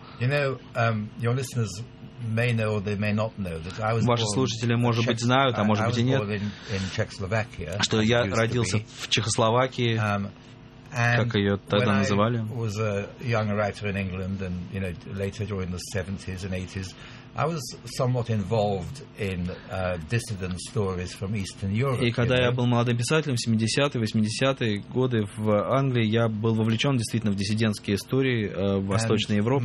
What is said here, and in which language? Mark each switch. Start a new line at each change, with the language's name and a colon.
English: You know, your listeners may know or they may not know that I was
Russian: ваши слушатели, может быть, знают, а может быть и нет,
English: in Czechoslovakia,
Russian: что я родился в Чехословакии. Как ее тогда называли?
English: I was a young writer in England, and you know, later during the 70s and 80s, I was somewhat involved in dissident stories from Eastern Europe.
Russian: И когда я был молодым писателем в 70-е, 80-е годы в Англии, я был вовлечен действительно в диссидентские истории Восточной Европы.